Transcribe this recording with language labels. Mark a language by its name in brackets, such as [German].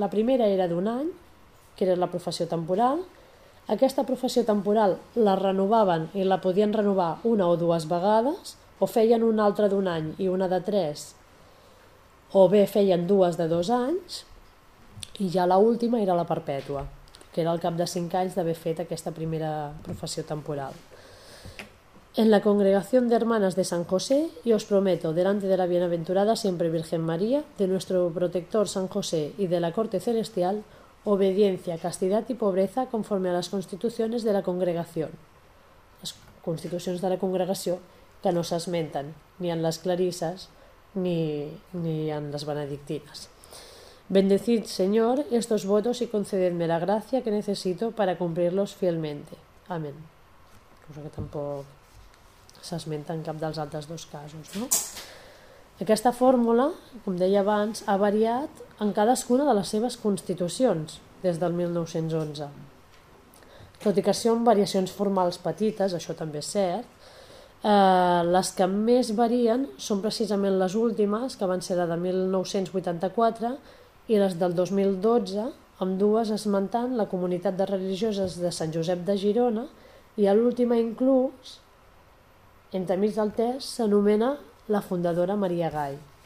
[Catalan] La primera era d'un any, que era la professió temporal. Aquesta professió temporal la renovaven i la podien renovar una o dues vegades, o feien una altra d'un any i una de tres, o bé feien dues de 2 anys, i ja l'última era la perpètua, que era al cap de 5 anys d'haver fet aquesta primera professió temporal. [Spanish] En la congregación de hermanas de San José, yo os prometo, delante de la bienaventurada siempre Virgen María, de nuestro protector San José y de la corte celestial, obediencia, castidad y pobreza conforme a las constituciones de la congregación. Las constituciones de la congregación que no se esmentan ni en las clarisas ni en las benedictinas. Bendecid, Señor, estos votos y concededme la gracia que necesito para cumplirlos fielmente. Amén. [Catalan] Cosa que tampoc s'esmenta en cap dels altres dos casos, no? Aquesta fórmula, com deia abans, ha variat en cadascuna de les seves constitucions des del 1911. Tot i que són variacions formals petites, això també és cert, les que més varien són precisament les últimes, que van ser la de 1984 i les del 2012, amb dues esmentant la comunitat de religioses de Sant Josep de Girona, i a l'última inclús, entremig del text, s'anomena la fundadora Maria Gall.